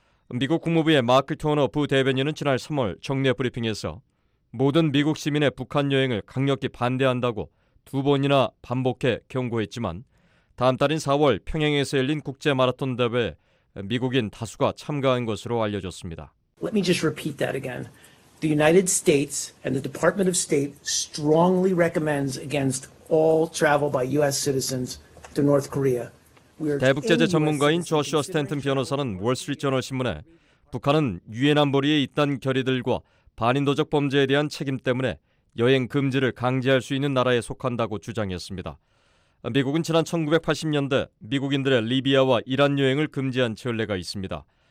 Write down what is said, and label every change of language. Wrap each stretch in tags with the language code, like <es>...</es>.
<ko>미국 국무부의 마크 토너 부대변인은 지난 3월 정례 브리핑에서 모든 미국 시민의 북한 여행을 강력히 반대한다고 두 번이나 반복해 경고했지만 다음 달인 4월 평양에서 열린 국제 마라톤 대회에 미국인 다수가 참가한 것으로 알려졌습니다.</ko> <en>Let me just repeat that again. The United States and the Department of State strongly recommends against all travel by US citizens to North Korea.</en> <ko>대북 제재 전문가인 조슈아 스탠튼 변호사는 월스트리트저널 신문에 북한은 유엔 안보리의 잇단 결의들과 반인도적 범죄에 대한 책임 때문에 여행 금지를 강제할 수 있는 나라에 속한다고 주장했습니다. 미국은 지난 1980년대 미국인들의 리비아와 이란 여행을 금지한 전례가 있습니다.</ko>